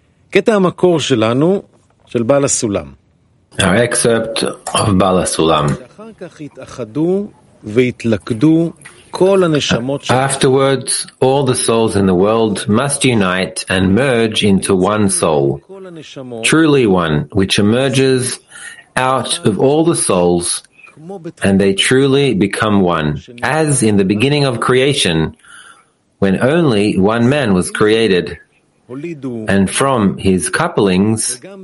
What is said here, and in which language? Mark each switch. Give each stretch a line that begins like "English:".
Hebrew: קטע המקור שלנו של בעל הסולם.
English: Our excerpt of בעל הסולם.
Hebrew: אחר כך התאחדו והתלכדו כל הנשמות
English: של Afterwards all the souls in the world must unite and merge into one soul. Truly one which emerges out of all the souls and they truly become one as in the beginning of creation when only one man was created and from his couplings